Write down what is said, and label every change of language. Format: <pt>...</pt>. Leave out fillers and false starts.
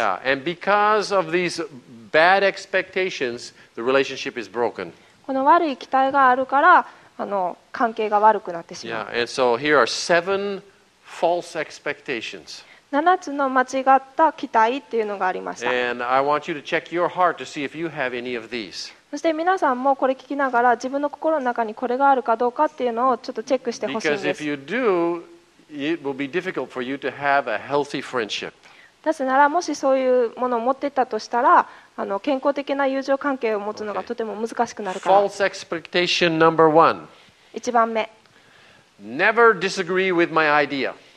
<en>Yeah, and because of these bad expectations, the relationship is broken.</en> <ja>この悪い期待があるから、関係が悪くなってしまう。</ja> <en>Yeah, and so here are seven. False expectations.</en> <ja>7つの間違った期待っていうのがありました。</ja> <en>And I want you to check your heart to see if you have any of these.</en> <ja>そして皆さんもこれ聞きながら自分の心の中にこれがあるかどうかっていうのをちょっとチェックしてほしいんです。</ja> <en>Because if you do, it will be difficult for you to have a healthy friendship.</en> <ja>なぜならもしそういうものを持ってたとしたら健康的な友情関係を持つのがとても難しくなるから。</ja> <en>False expectation number one.</en> <ja>一番目。</ja> <en>Never disagree with my idea.</en>